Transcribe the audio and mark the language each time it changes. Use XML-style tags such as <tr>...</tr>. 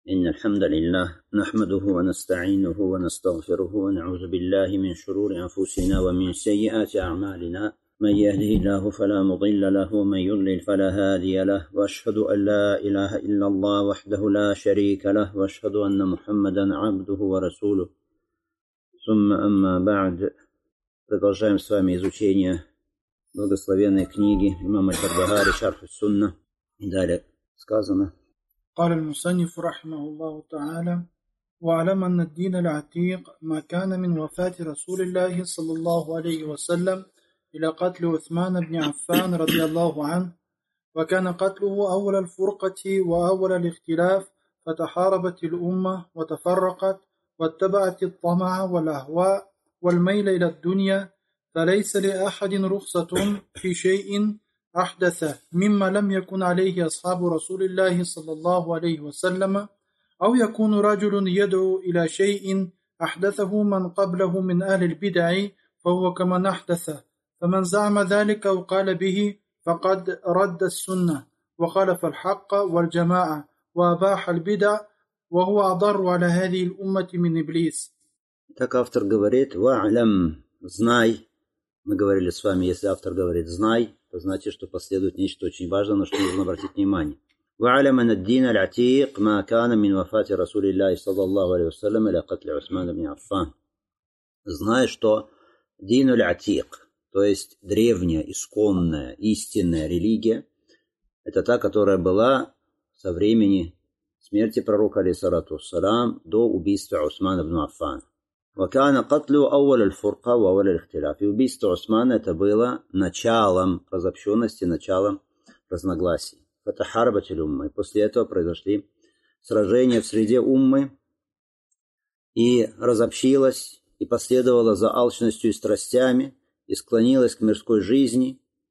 <ar>إن الحمد لله نحمده ونستعينه ونستغفره ونعوذ بالله من شرور أنفسنا ومن سيئات أعمالنا، من يهده الله فلا مضل له ومن يضلل فلا هادي له، وأشهد أن لا إله إلا الله وحده لا شريك له، وأشهد أن محمدا عبده ورسوله. ثم أما بعد،</ar> <ru>продолжаем с вами изучение благословенной книги имама аль-Бахари Шарх ас-Сунна. Далее сказано:</ru> <ar>قال المصنف رحمه الله تعالى: واعلم أن الدين العتيق ما كان من وفاة رسول الله صلى الله عليه وسلم إلى قتل عثمان بن عفان رضي الله عنه، وكان قتله أول الفرقة وأول الاختلاف، فتحاربت الأمة وتفرقت واتبعت الطمع والأهواء والميل إلى الدنيا، فليس لأحد رخصة في شيء أحدث مما لم يكن عليه أصحاب رسول الله صلى الله عليه وسلم، أو يكون رجل يدعو إلى شيء أحدثه من قبله من أهل البدع فهو كمن أحدث، فمن زعم ذلك أو قال به فقد رد السنة وخالف الحق والجماعة وأباح البدع، وهو أضر على هذه الأمة من إبليس.</ar> <ru>Так автор говорит: واعلم, знай. Мы говорили с вами, если автор говорит знай, то значит, что последует нечто очень важное, на что нужно обратить внимание.</ru> <ar>وعلم أن الدين العتيق ما كان من وفاة رسول الله صلى الله عليه وسلم إلى قتل عثمان بن عفان.</ar> <ru>Знай, что دين العتيق, то есть древняя, исконная, истинная религия, это та, которая была со времени смерти пророка алейхиссалату вассалам до убийства Усмана ибн Аффан.</ru> <ar>وكان قتل أول الفرقة وأول الاختلاف.</ar> <ru>И убийство Усмана — это было началом разобщенности, началом разногласий. Фатахарбатиль уммы. После этого произошли сражения в среде уммы, и разобщилась, и последовала за алчностью и страстями, и склонилась к мирской жизни.</ru>